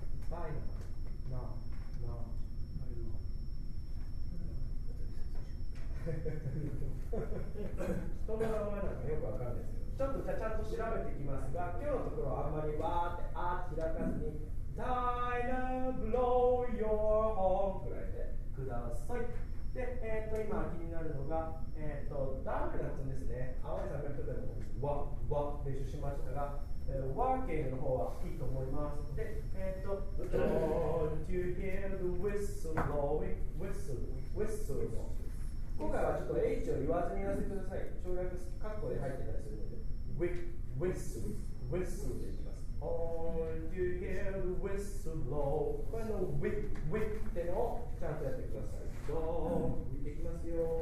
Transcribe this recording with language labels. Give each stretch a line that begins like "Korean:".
Japanese: ダイナナーナーダイナー人の名前なんかよくわかんないですけど、ちょっとじゃちゃんと調べてきますが、今日のところはあんまりわーってあーって開かずに
English: Dina, blow your horn
Japanese: くらいでください。で、今気になるのが、ダークな発音ですね。青い三角形でも、わ、わ、練習しましたが、ワーキングの方はいいと思います。
English: で、Don't you hear the whistle blowing? Whistle, whistle.
Japanese: 今回はちょっと H を言わずにやらせてください。省略、カッコで入ってたりするので、whistle, whistle でいきます。
English: Oh, you hear the whistle blow?
Japanese: これのウィッウィッってのをちゃんとやってください。ドーン、見ていきますよ。